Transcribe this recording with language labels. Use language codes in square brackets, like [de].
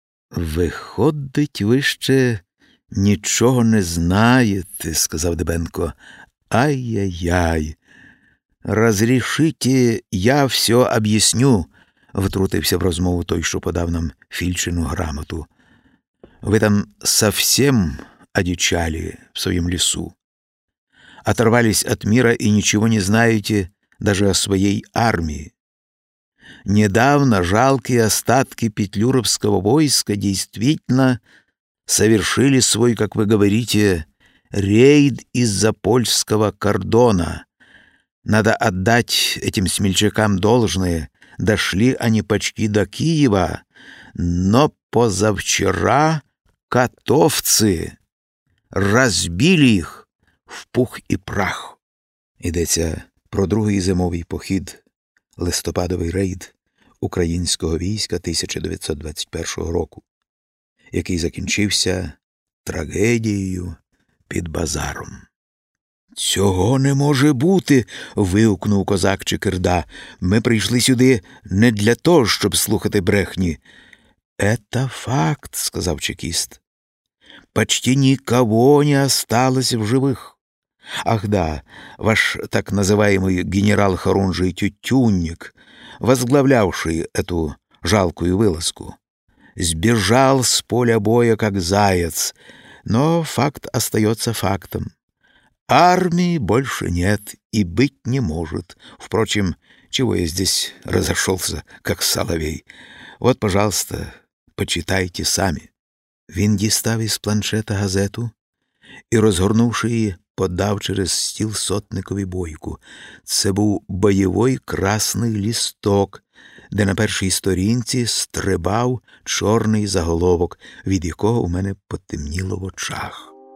[uk] «Виходить, ви ще нічого не знаєте», – сказав Дебенко. «Ай-яй-яй! Разрішите, [ru] я все об'ясню», [uk] – втрутився в розмову той, що подав нам Фільчину грамоту. [ru] «Ви там совсем одичали в своем лесу, оторвались от мира и ничего не знаете даже о своей армии. Недавно жалкие остатки петлюровского войска действительно совершили свой, как вы говорите, рейд из-за польского кордона. Надо отдать этим смельчакам должное, дошли они почти до Киева, но позавчера котовцы [uk] розбили їх в пух і прах». Йдеться про другий зимовий похід, листопадовий рейд українського війська 1921 року, який закінчився трагедією під базаром. «Цього не може бути», – вигукнув козак Чекирда. «Ми прийшли сюди не для того, щоб слухати брехні». [ru] «Это факт», [uk] – сказав чекіст. [ru] «Почти никого не осталось в живых. Ах да, ваш так называемый генерал Хорунжий Тютюнник, возглавлявший эту жалкую вылазку, сбежал с поля боя как заяц, но факт остается фактом. Армии больше нет и быть не может. Впрочем, чего я здесь разошелся, как соловей? Вот, пожалуйста, почитайте сами». [uk] Він дістав із планшета газету і, розгорнувши її, подав через стіл сотникові Бойку. Це був бойовий красний лісток, де на першій сторінці стрибав чорний заголовок, від якого в мене потемніло в очах.